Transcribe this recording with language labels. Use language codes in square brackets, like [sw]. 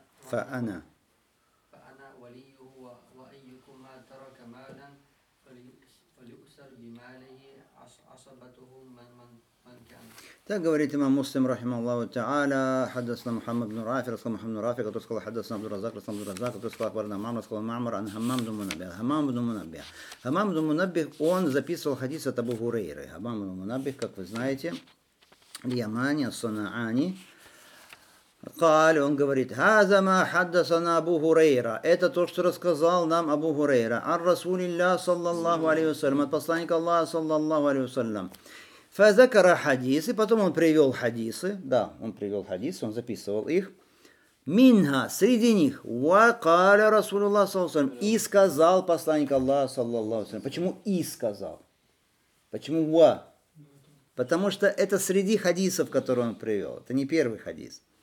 [ar] فأنا وليه وأيكما ترك مالا فليؤسر بماله عصبته من كان. [ru] Так говорит имам Муслим, рахималлаху та'аля, хаддасна Мухаммад ибн Рафи, рассказал Мухаммад ибн Рафи, который сказал, хаддасна Абдур-Разак, рассказал Абдур-Разак, который сказал, Акбарна Мамар, рассказал Мамар, ан Хаммам ду Мунаббих. Хаммам ду Мунаббих. Хаммам ду Мунаббих, он записывал хадис от Абу Гурейры. Хаммам ду Мунаббих, как вы знаете, в Ямане, Санаани, [ar] قال, [ru] он говорит, [ar] هذا ما حدثنا أبو هريرة, [ru] это то, что рассказал нам Абу Хурейра, [ar] عن رسول الله صلى الله عليه وسلم, [ru] от посланника Аллаха [ar] صلى الله عليه وسلم. فذكر حديث, [ru] и потом он привел хадисы, да, он привел хадисы, он записывал их, [ar] منها, [ru] среди них, [ar] وقال رسول الله صلى الله عليه وسلم, [ru] и сказал посланник Аллаха صلى الله عليه وسلم. Почему и сказал? Почему ва? Потому что это среди хадисов, которые он привел, это не первый хадис.